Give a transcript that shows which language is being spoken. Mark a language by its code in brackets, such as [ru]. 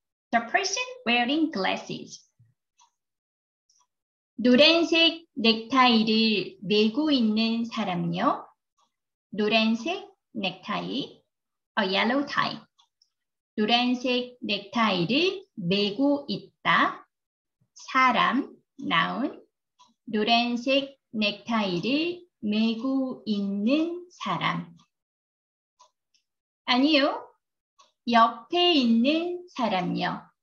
[en] The person wearing glasses. [ko] 노란색 넥타이를 매고 있는 사람요. 노란색 넥타이, [en] a yellow tie. [ko] 노란색 넥타이를 매고 있다. 사람, noun. 노란색 넥타이를 매고 있는 사람. 아니요. 옆에 있는 사람요.